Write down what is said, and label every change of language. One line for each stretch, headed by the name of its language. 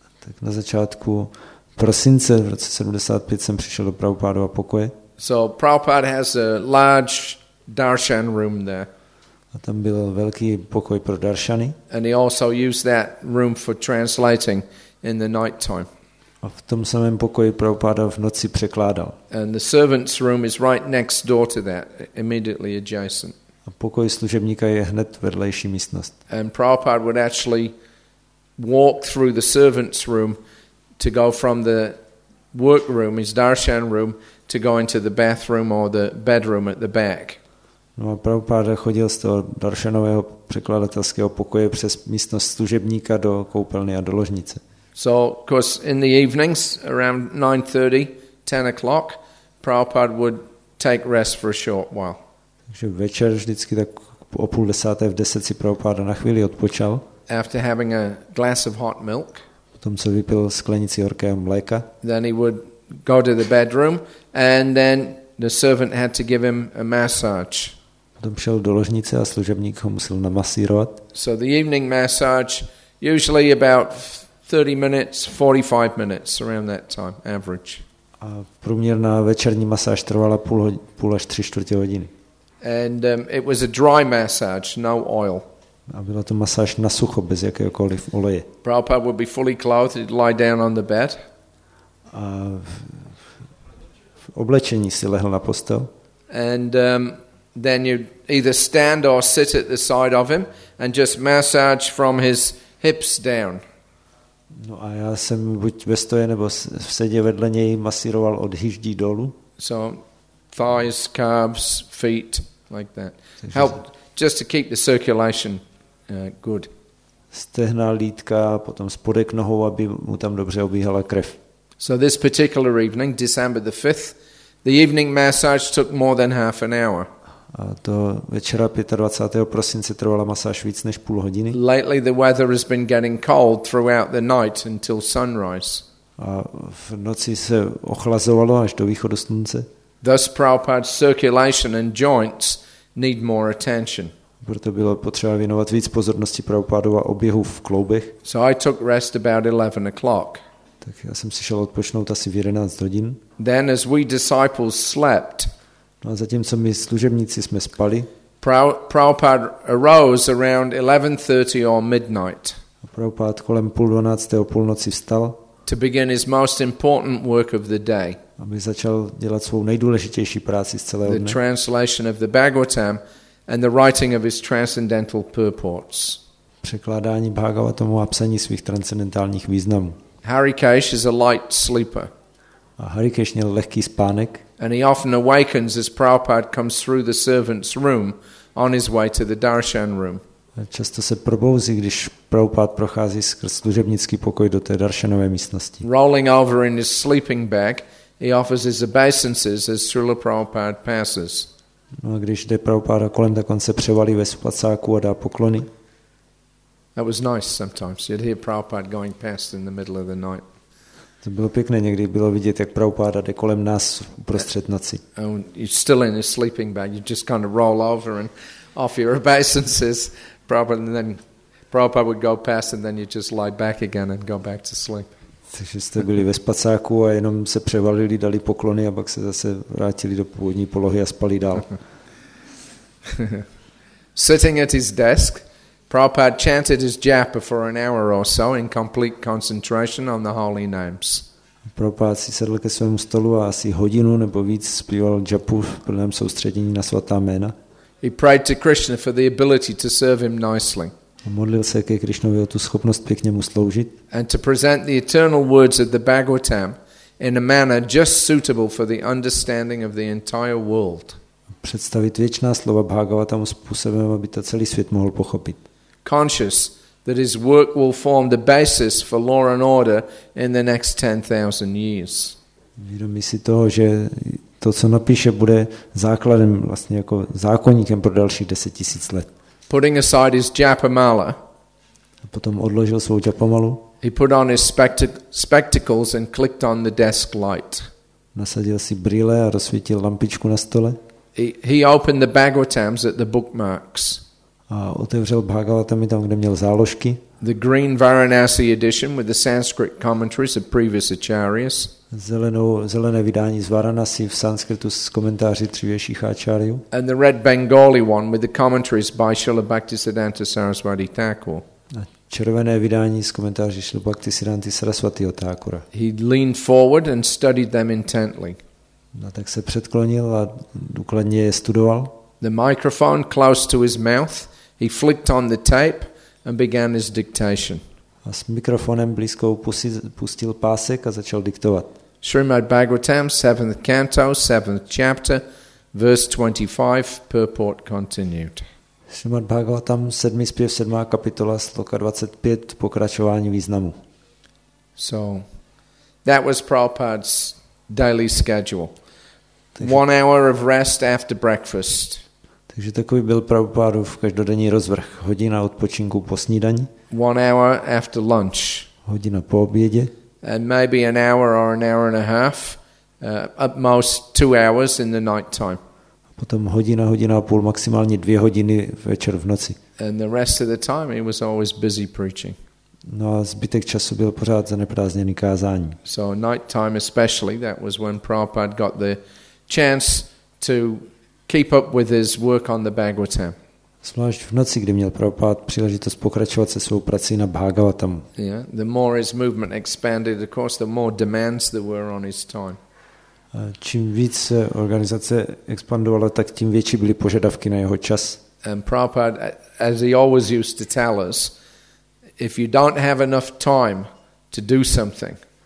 Czech: Tak na začátku v prosince v roce 75 jsem přišel do Prabhupádova pokoje.
English: So Prabhupada has a large darshan room there.
Czech: A tam byl velký pokoj pro darshany.
English: And he also used that room for translating in the night time.
Czech: A v tom samém pokoji Prabhupáda v noci překládal.
English: And the servants room is right next door to that, immediately adjacent.
Czech: A pokoj služebníka je hned vedlejší místnost.
English: And Prabhupada would actually walk through the servants room to go from the workroom, his darshan room, to go into the bathroom or the bedroom at the back.
Czech: No a Prabhupada chodil z toho darshanového překladatelského pokoje přes místnost služebníka do koupelny a do ložnice.
English: So, because in the evenings, around 9:30, 10 o'clock, Prabhupada would take rest for a short while.
Czech: Takže večer vždycky tak o půl desáté, v deset si Prabhupada na chvíli odpočal.
English: After having a glass of hot milk,
Czech: potom se vypil sklenici horkého mléka.
English: Then he would go to the bedroom and then the servant had to give him a massage.
Czech: Potom šel do ložnice a služebník ho musel namasírovat.
English: So the evening massage usually about 30 minutes, 45 minutes around that time average.
Czech: A průměrná večerní masáž trvala půl až tři čtvrtě hodiny.
English: And it was a dry massage, no oil.
Czech: A byla to masáž na sucho bez jakéhokoliv oleje.
English: Prabhupada would be fully clothed, he'd lie down on the bed.
Czech: A v oblečení si lehl na postel.
English: And then you either stand or sit at the side of him and just massage from his hips down.
Czech: No a já jsem buď ve stoje nebo v sedě vedle něj masíroval od hýždí dolů.
English: So thighs, calves, feet, like that. Help just to keep the circulation good.
Czech: Stehna, lítka, potom spodek nohou, aby mu tam dobře obíhala krev.
English: So this particular evening, December the 5th, the evening massage took more than half an hour.
Czech: A to večera 25. prosince trvala masáž víc než půl hodiny.
English: Lately the weather has been getting cold throughout the night until sunrise.
Czech: A v noci se ochlazovalo až do východu slunce.
English: Thus Prabhupada's circulation and joints need more attention.
Czech: Proto bylo potřeba věnovat víc pozornosti Prabhupádu a oběhu v kloubech.
English: So I took rest about 11 o'clock.
Czech: Tak já jsem si šel odpočnout asi v 11 hodin.
English: Then as we disciples slept,
Czech: no a zatímco my služebníci jsme spali,
English: Prabhupada arose around 11:30 or midnight.
Czech: Prabhupád kolem 11:30 o půlnoci vstal.
English: To begin his most important work of the day.
Czech: Aby začal dělat svou nejdůležitější práci z celého dne.
English: The translation of the Bhagavatam and the writing of his transcendental purports.
Czech: Překládání Bhagavatamu a psaní svých transcendentálních významů.
English: Harikesh is a light sleeper.
Czech: A Harikesh měl lehký spánek.
English: And he often awakens as Prabhupada comes through the servant's room on his way to the darshan room.
Czech: A často se probouzí, když Prabhupada prochází skrz služebnický pokoj do té darshanové místnosti.
English: Rolling over in his sleeping bag, he offers his obeisances as Srila Prabhupada passes.
Czech: No a když jde Prabhupada kolem, tak on se převalí ve spacáku a dá pokloní.
English: That was nice sometimes. You'd hear Prabhupada going past in the middle of the night.
Czech: To bylo pěkné, někdy bylo vidět, jak Prabhupada jde kolem nás uprostřed noci.
English: You're still in a sleeping bag. You just kind of roll over and off your obeisances. Prabhupada, and then Prabhupada would go past and then you just lie back again and go back to sleep.
Czech: Takže jste byli ve spacáku a jenom se převalili, dali poklony a pak se zase vrátili do původní polohy a spali dál.
English: Sitting at his desk, Prabhupada chanted his japa for an hour or so in complete concentration on the holy names.
Czech: Prabhupada si sedl ke svému stolu a asi hodinu nebo víc zpíval japu v plném soustředění na svatá jména.
English: He prayed to Krishna for the ability to serve him nicely.
Czech: A modlil se ke Krišnovi o tu schopnost pěkně mu sloužit.
English: And to present the eternal words of the Bhagavatam in a manner just suitable for the understanding of the entire world.
Czech: Představit věčná slova Bhagavatamu způsobem, aby to celý svět mohl pochopit.
English: Conscious that his work will form the basis for law and order in the next 10,000 years.
Czech: Vědomí si toho, že to, co napíše, bude základem, vlastně jako zákonníkem pro dalších 10 000 let.
English: Putting aside his japamala,
Czech: a potom odložil svou japamalu.
English: He put on his spectacles and clicked on the desk light.
Czech: Nasadil si brýle a rozsvítil lampičku na stole.
English: He opened the Bhagavatams at the bookmarks.
Czech: A otevřel Bhagavatamy tam, kde měl záložky.
English: The green Varanasi edition with the Sanskrit commentaries of previous acharyas.
Czech: Zelené vydání z Varanasi v sanskritu s komentáři dřívějších áčáriů.
English: And the red Bengali one with the commentaries by Srila Bhaktisiddhanta Saraswati Thakur.
Czech: A červené vydání s komentáři Srila Bhaktisiddhanta Sarasvatiho Thakura.
English: He leaned forward and studied them intently.
Czech: No, tak se předklonil a důkladně je studoval.
English: The microphone close to his mouth, he flicked on the tape and began his dictation.
Czech: A s mikrofonem blízko pustil pásek a začal diktovat.
English: Srimad Bhagavatam, 7th canto, 7th chapter, verse 25, purport continued.
Czech: Srimad Bhagavatam, 7. zpěv, 7. kapitola, sloka 25, pokračování významu.
English: So, that was Prabhupada's daily schedule. One hour of rest after breakfast.
Czech: Takže takový byl Prabhupádův každodenní rozvrh. Hodina odpočinku po snídani.
English: One hour after lunch.
Czech: Hodina po obědě.
English: And maybe an hour or an hour and a half, at most 2 hours in the night time.
Czech: Potom hodina, hodina a půl, maximálně 2 hodiny večer v noci.
English: And the rest of the time he was always busy preaching.
Czech: No a zbytek času byl pořád zaneprázdněný kázání.
English: So night time especially, that was when Prabhupada got the chance to keep up with his work on the Bhagavatam.
Czech: Zvlášť v noci, kdy měl Prabhupád příležitost pokračovat se svou prací na Bhagavatam.
English: Yeah, the more his movement expanded, of course, the more demands there were on his time.
Czech: Čím víc organizace expandovala, tak tím větší byly požadavky na jeho čas.
English: And Prabhupád, as he always used to tell us, if you don't have enough time to do something,